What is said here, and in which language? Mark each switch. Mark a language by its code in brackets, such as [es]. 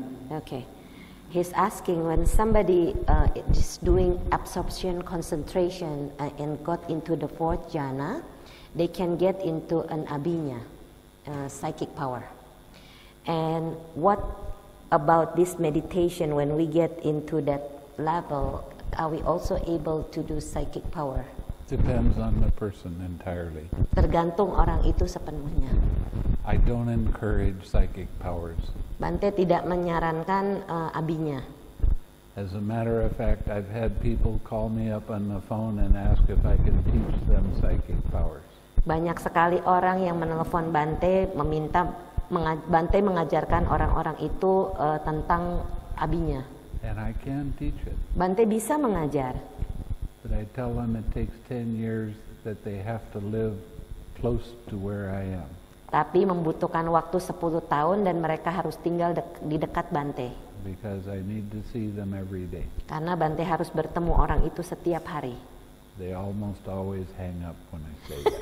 [en] okay, he's asking when somebody is doing absorption concentration and got into the fourth jhana, they can get into an abhinya, psychic power. And what about this meditation when we get into that level, are we also able to do psychic power? Depends on the person entirely. [id] Tergantung orang itu sepenuhnya. [en] I don't encourage psychic powers. [id] Bante tidak menyarankan abinya. [en] As a matter of fact, I've had people call me up on the phone and ask if I can teach them psychic powers. [id] Banyak sekali orang yang menelpon Bante meminta Bante mengajarkan orang-orang itu tentang abinya. [en] And I can teach it. [id] Bante bisa mengajar. [en] But I tell them it takes 10 years that they have to live close to where I am. [id] Tapi membutuhkan waktu 10 tahun dan mereka harus tinggal di dekat Bante. [en] Because I need to see them every day. [id] Karena Bante harus bertemu orang itu setiap hari. [en] They almost always hang up when I say.